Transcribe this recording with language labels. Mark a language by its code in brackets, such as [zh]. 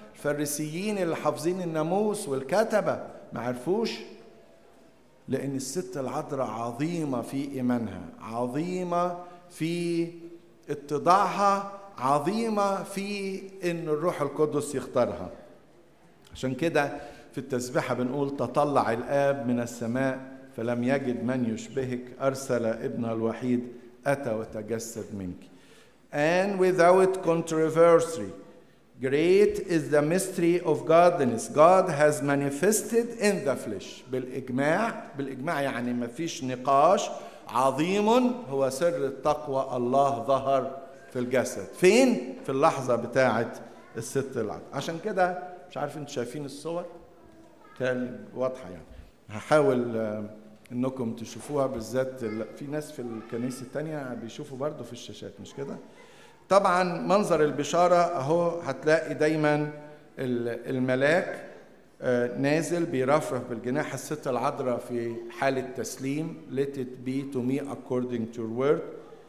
[ar] الفريسيين اللي حافظين الناموس والكتبة ما عرفوش, لأن الست العذراء عظيمة في إيمانها, عظيمة في اتضاعها عظيمة في إن الروح القدس يختارها. عشان كده في التسبيحة بنقول تطلع الآب من السماء فلم يجد من يشبهك، أرسل ابنه الوحيد أتى وتجسد منك. [en] And without controversy, great is the mystery of godliness. God has manifested in the flesh. [ar] بالإجماع، بالإجماع يعني ما فيش نقاش، عظيم هو سر التقوى، الله ظهر في الجسد. فين؟ في اللحظة بتاعة الست العذراء. عشان كده مش عارف انت شايفين الصور كان واضحة، يعني هحاول انكم تشوفوها، بالذات في ناس في الكنيسة التانية بيشوفوا برضو في الشاشات، مش كده؟ طبعا منظر البشارة اهو، هتلاقي دايما الملاك نازل بيرفرف بالجناح، الست العذراء في حالة تسليم، [en] let it be to me according to your word.